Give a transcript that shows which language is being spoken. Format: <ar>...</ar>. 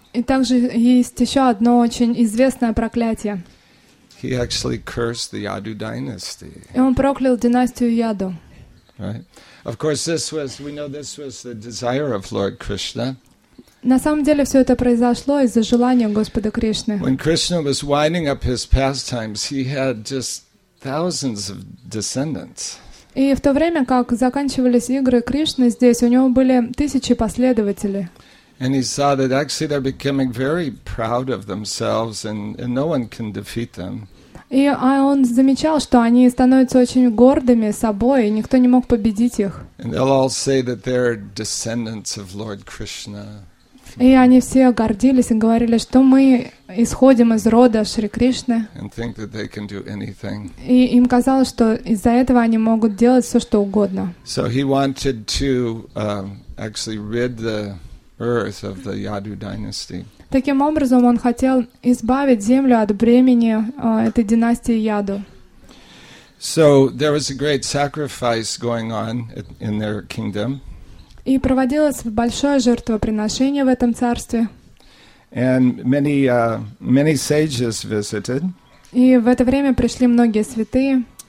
<ru>И также есть еще одно очень известное проклятие.</ru> <en>He actually cursed the Yadu dynasty.</en> <ru>И он проклял династию Яду.</ru> <en>Right. Of course, we know this was the desire of Lord Krishna.</en> <ru>На самом деле все это произошло из-за желания Господа Кришны.</ru> <en>When Krishna was winding up his pastimes, he had just thousands of descendants.</en> <ru>И в то время, как заканчивались игры Кришны здесь, у него были тысячи последователей.</ru> <en>And he saw that actually they're becoming very proud of themselves, and no one can defeat them.</en> <ru>И он замечал, что они становятся очень гордыми собой, и никто не мог победить их.</ru> <en>And they'll all say that they're descendants of Lord Krishna.</en> <ru>И они все гордились и говорили, что мы исходим из рода Шри Кришны.</ru> <en>And think that they can do anything.</en> <ru>И им казалось, что из-за этого они могут делать все, что угодно.</ru> <en>So he wanted to actually rid the earth of the Yadu dynasty.</en> <ru>Таким образом, он хотел избавить землю от бремени этой династии Яду.</ru> <en>So there was a great sacrifice going on in their kingdom.</en> <ru>И проводилось большое жертвоприношение в этом царстве.</ru> <en>And many sages visited.</en> <ru>И в это время пришли многие святые.</ru>